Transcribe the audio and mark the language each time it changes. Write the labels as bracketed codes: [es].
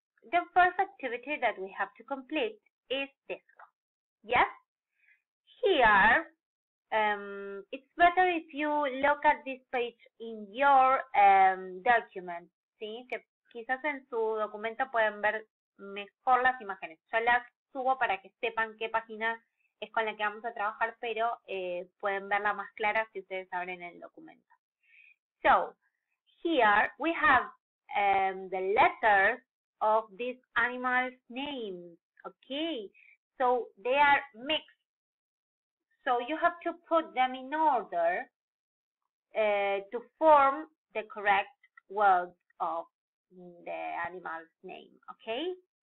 [en] The first activity that we have to complete is this one. Yes? Here, it's better if you look at this page in your document. [es] ¿Sí? Que quizás en su documento pueden ver mejor las imágenes. Yo las subo para que sepan qué página es con la que vamos a trabajar, pero pueden verla más clara si ustedes abren el documento. [en] So, here we have the letters of this animal's name, okay? So they are mixed. So you have to put them in order to form the correct words of the animal's name, okay?